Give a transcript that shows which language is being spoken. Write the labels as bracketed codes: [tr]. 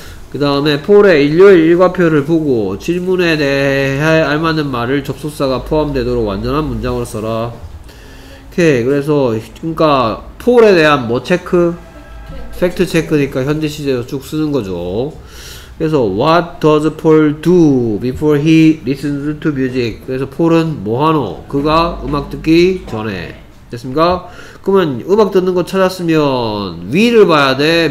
[ko] 그 다음에 폴의 일요일 일과표를 보고 질문에 대해 알맞은 말을 접속사가 포함되도록 완전한 문장으로 써라. 오케이. 그래서 그러니까 폴에 대한 뭐 체크? 팩트 체크니까 현재 시제로 쭉 쓰는 거죠. 그래서 [en] what does Paul do before he listens to music? [ko] 그래서 폴은 뭐 하노? 그가 음악 듣기 전에. 됐습니까? 그러면 음악 듣는 거 찾았으면 위를 봐야 돼?